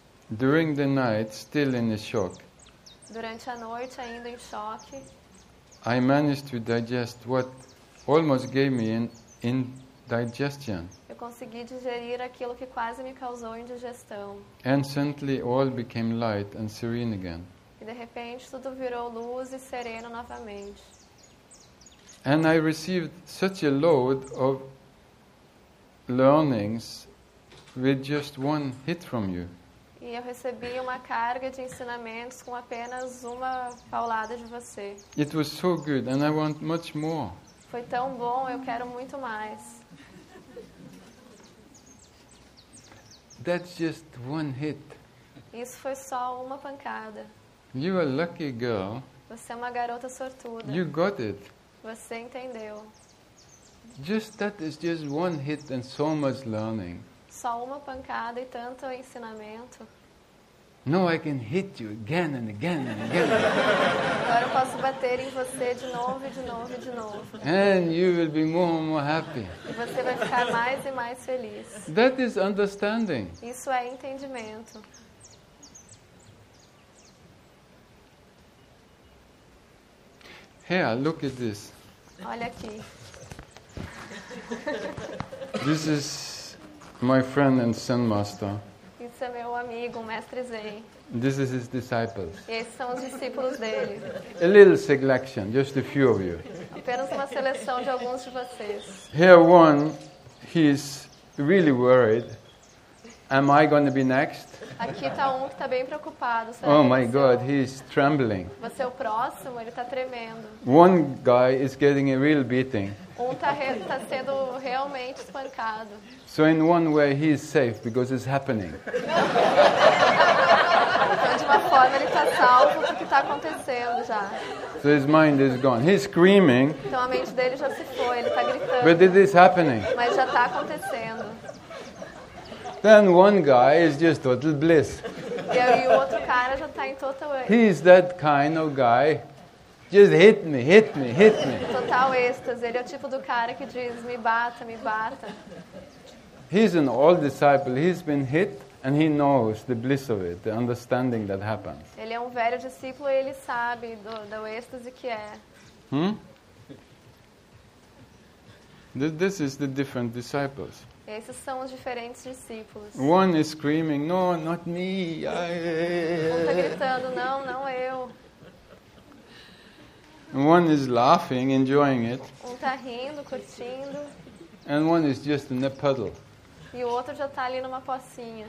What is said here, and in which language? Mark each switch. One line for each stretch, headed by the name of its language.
English: During the night, still in a shock.
Portuguese: Durante a noite, ainda em choque.
English: I managed to digest what almost gave me an indigestion.
Portuguese: Eu consegui digerir aquilo que quase me causou indigestão.
English: And suddenly all became light and serene again.
Portuguese: E de repente tudo virou luz e sereno novamente.
English: And I received such a load of learnings with just one hit from you.
Portuguese: E eu recebi uma carga de ensinamentos com apenas uma paulada de você.
English: It was so good and I want much more.
Portuguese: Foi tão bom, eu quero muito mais.
English: That's just one hit.
Portuguese: Isso foi só uma pancada.
English: You are a lucky girl.
Portuguese: Você é uma garota sortuda.
English: You got it.
Portuguese: Você entendeu.
English: Just that is just one hit and so much learning.
Portuguese: Só uma pancada e tanto ensinamento.
English: No, I can hit you again and again and again.
Portuguese: Agora eu posso bater em você de novo e de novo e de novo.
English: And you will be more and more happy.
Portuguese: E você vai ficar mais e mais feliz.
English: That is understanding.
Portuguese: Isso é entendimento.
English: Here, look at this.
Portuguese: Olha aqui.
English: This is my friend and Zen master.
Portuguese: Isso é meu amigo, mestre Zen.
English: This is his disciples.
Portuguese: Esses são os discípulos dele.
English: A little selection, just a few of you.
Portuguese: Apenas uma seleção de alguns de vocês.
English: Here one, he is really worried Am I going to be next?
Portuguese: Aqui está um que está bem preocupado. Será
English: oh my God, he's trembling.
Portuguese: Você é o próximo? Ele está tremendo.
English: One guy is getting a real beating.
Portuguese: Um está sendo realmente espancado.
English: So in one way he is safe because it's happening.
Portuguese: Então, de uma forma ele está salvo porque está acontecendo já.
English: So his mind is gone. He's screaming.
Portuguese: Então a mente dele já se foi. Ele está gritando.
English: But it is happening.
Portuguese: Mas já está acontecendo.
English: Then one guy is just total bliss.
Portuguese: E aí, o outro cara já tá em total...
English: He is that kind of guy. Just hit me, hit me, hit me.
Portuguese: Total êxtase. Ele é o tipo do cara que diz, me bata, me bata.
English: He's an old disciple. He's been hit and he knows the bliss of it, the understanding that happens.
Portuguese: Ele é um velho discípulo e ele sabe do êxtase que é.
English: This is the different disciples.
Portuguese: Esses são os diferentes discípulos.
English: One is screaming, no, not me.
Portuguese: Um está gritando, não, não eu.
English: And one is laughing, enjoying it.
Portuguese: Um está rindo, curtindo.
English: And one is just in a puddle.
Portuguese: E o outro já está ali numa pocinha.